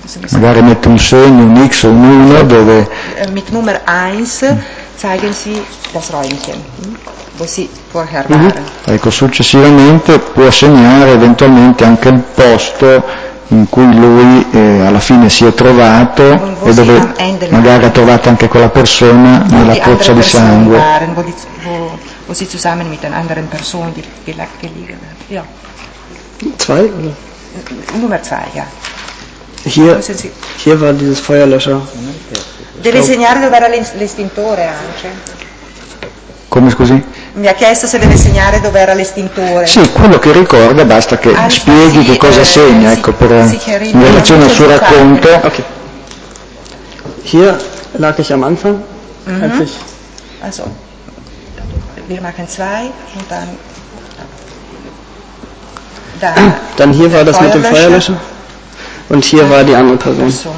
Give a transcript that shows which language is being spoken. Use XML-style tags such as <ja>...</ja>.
<it>Magari mette un segno, un X o un 1, dove...</it> <de>Mit Nummer 1... Zeigen Sie das Räumchen, wo Sie vorher waren. Mm-hmm.</de> <it>Ecco, successivamente può segnare eventualmente anche il posto in cui lui alla fine si è trovato e dove magari ha trovato anche quella persona nella pozza di sangue.</it> <de>Waren, wo Sie zusammen mit den anderen Personen gelegen haben. Ja. Zwei? Nummer zwei, ja. Hier war dieses Feuerlöscher.</de> <it>Deve segnare dove era l'estintore anche. Come scusi? Mi ha chiesto se deve segnare dove era l'estintore. Sì, quello che ricorda, basta che spieghi che cosa segna, ecco, per in relazione al suo racconto.</it> <de>Okay. Hier lag ich am Anfang. Mm-hmm. Ich... Also, wir machen zwei und dann da. Dann hier war das mit dem Feuerlöscher und hier war die andere Person.</de>